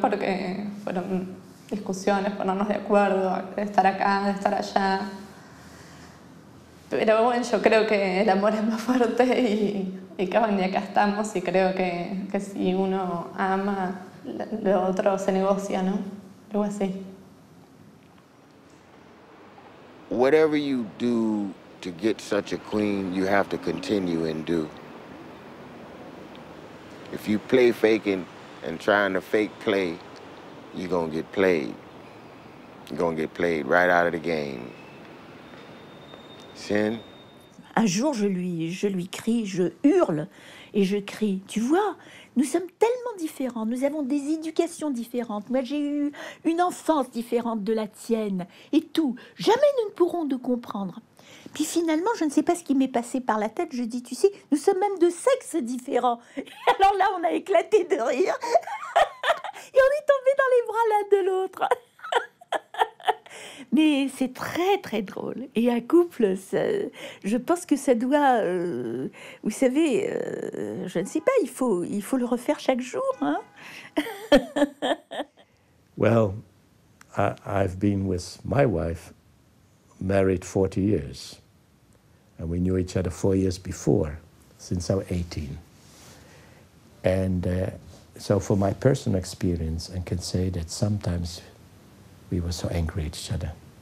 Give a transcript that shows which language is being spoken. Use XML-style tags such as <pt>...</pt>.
<es>Porque fueron discusiones, ponernos de acuerdo, de estar acá, de estar allá. Pero bueno, yo creo que el amor es más fuerte y que hoy día acá estamos y creo que si uno ama, lo otro se negocia, ¿no? Algo así.</es> <en>Whatever you do to get such a queen, you have to continue and do. If you play faking, and trying to fake play, you're gonna get played. You're gonna get played right out of the game. Sin?</en> <fr>Un jour, je lui crie, je hurle, et je crie, tu vois, nous sommes tellement différents, nous avons des éducations différentes, moi j'ai eu une enfance différente de la tienne, et tout, jamais nous ne pourrons nous comprendre. Puis finalement, je ne sais pas ce qui m'est passé par la tête, je dis, tu sais, nous sommes même de sexes différents. Et alors là, on a éclaté de rire. Et on est tombés dans les bras l'un de l'autre. Mais c'est très, très drôle. Et un couple, ça, je pense que ça doit... vous savez, je ne sais pas, il faut le refaire chaque jour. Hein.</fr> <en>Well, I've been with my wife, married 40 years. And we knew each other 4 years before, since I was 18. And so for my personal experience, I can say that sometimes we were so angry at each other.</en>